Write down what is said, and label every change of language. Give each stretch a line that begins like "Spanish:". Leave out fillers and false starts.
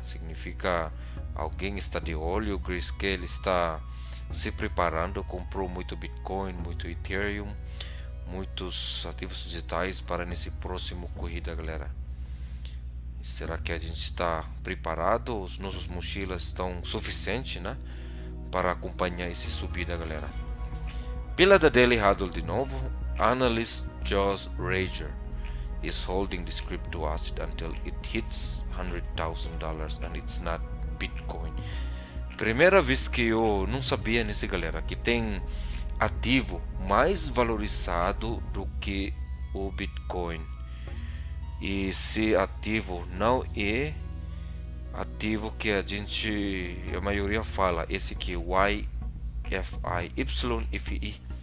Portuguese: Significa alguém está de olho, o Grayscale está se preparando, comprou muito Bitcoin, muito Ethereum, muitos ativos digitais para nesse próximo corrida, galera. Será que a gente está preparado? Os nossos mochilas estão suficientes, né, para acompanhar essa subida, galera? Pela The Daily Huddle de novo,
English: analyst Josh Rager is holding this crypto asset until it hits $100,000 and it's not Bitcoin.
Portuguese: Primeira vez que eu não sabia nisso, galera, que tem ativo mais valorizado do que o Bitcoin. E se ativo não é ativo que a maioria fala, esse aqui é YFIYFI.